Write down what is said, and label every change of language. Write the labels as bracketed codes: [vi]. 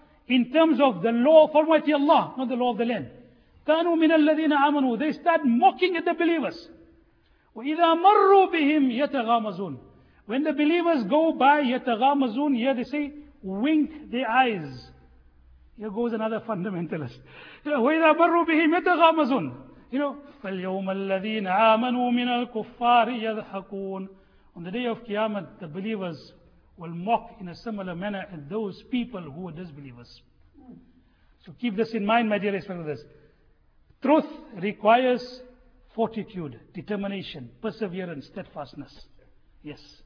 [en] In terms of the law of Almighty Allah, not the law of the land. [ar] كانوا من الذين آمنوا. [en] They start mocking at the believers. [ar] وإذا مروا بهم يتغامزون. [en] When the believers go by, يتغامزون, here they say, wink their eyes. Here goes another fundamentalist. [ar] وإذا مروا بهم يتغامزون. [en] You know, [ar] فاليوم الذين آمنوا من الكفار يضحكون. [en] On the day of Qiyamah, the believers will mock in a similar manner at those people who are disbelievers. So keep this in mind, my dear respect of this. Truth requires fortitude, determination, perseverance, steadfastness. Yes.